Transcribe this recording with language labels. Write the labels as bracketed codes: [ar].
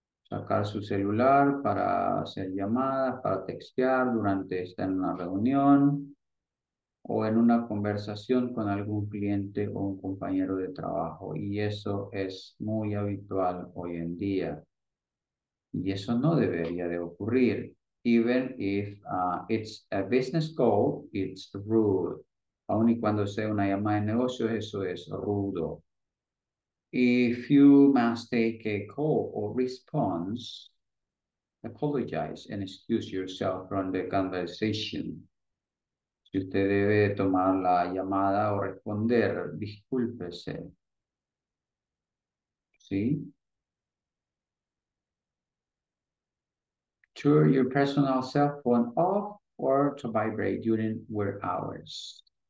[es] Sacar su celular para hacer llamadas, para textear durante estar en una reunión. o en una conversación con algún cliente o un compañero de trabajo. Y eso es muy habitual hoy en día. Y eso no debería de ocurrir. [en] Even if it's a business call, it's rude. [es] Aun y cuando sea una llamada de negocio, eso es rudo. [en] If you must take a call or response, apologize and excuse yourself from the conversation. [es] Si usted debe tomar la llamada o responder, discúlpese. ¿Sí? [en] Turn your personal cell phone off or to vibrate during work hours.